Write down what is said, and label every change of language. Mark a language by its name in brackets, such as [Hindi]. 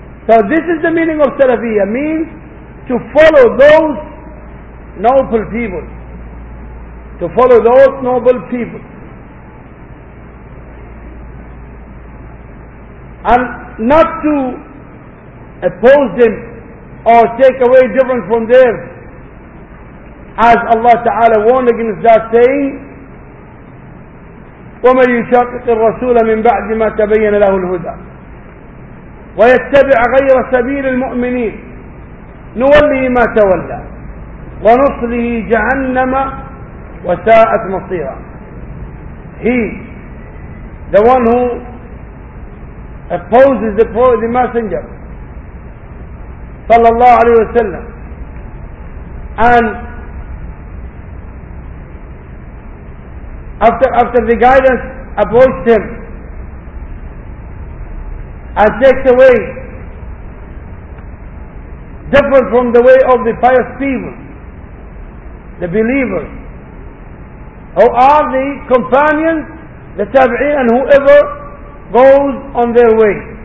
[English] So this is the meaning of Salafiyya, means to follow those noble people. To follow those noble people. And not to oppose them or take away different from theirs. As Allah Ta'ala warned against that, saying, [Arabic] وَمَنْ يُشَاقِقِ الرَّسُولَ مِنْ بَعْدِ مَا تَبَيَّنَ لَهُ الْهُدَى وَيَتَّبِعَ غَيْرَ سَبِيلِ الْمُؤْمِنِينَ نُوَلِّهِ مَا تَوَلَّى وَنُصْلِهِ جَهَنَّمَ وَسَاءَتْ مَصِيرًا. [English] He, the one who opposes the messenger [Arabic] صلى الله عليه وسلم [English] and after the guidance approached him and takes away different from the way of the pious people, the believers, who are the companions, the tabi'een, and whoever goes on their way,